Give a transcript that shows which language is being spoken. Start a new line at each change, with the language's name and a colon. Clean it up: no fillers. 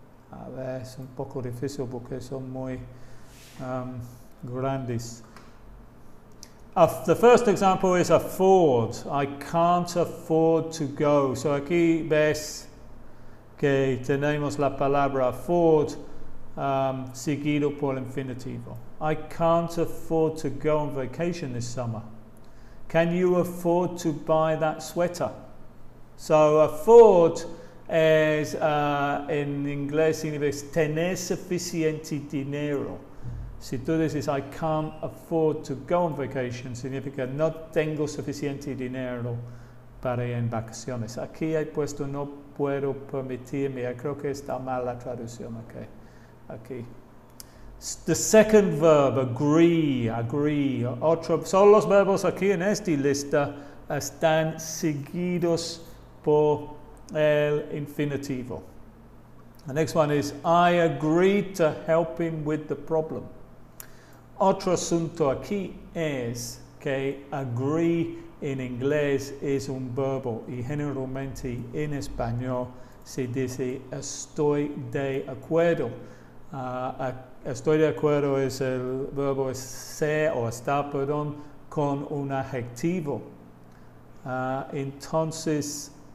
Spanish: A ver, es un poco difícil porque son muy grandes.
English: The first example is afford. I can't afford to go.
Spanish: So, aquí ves que tenemos la palabra afford seguido por el infinitivo.
English: I can't afford to go on vacation this summer. Can you afford to buy that sweater? So afford is, in
Spanish: inglés, significa tener suficiente dinero. Si tú dices,
English: I can't afford to go on vacation,
Spanish: significa no tengo suficiente dinero para ir en vacaciones. Aquí he puesto no puedo permitirme. Creo que está mal la traducción. Okay. Aquí.
English: The second verb, agree.
Spanish: Solo los verbos aquí en esta lista están seguidos por el infinitivo.
English: The next one is, I agree to help him with the problem.
Spanish: Otro asunto aquí es que agree en inglés es un verbo y generalmente en español se dice estoy de acuerdo. Estoy de acuerdo es el verbo ser o estar, perdón, con un adjetivo. Entonces,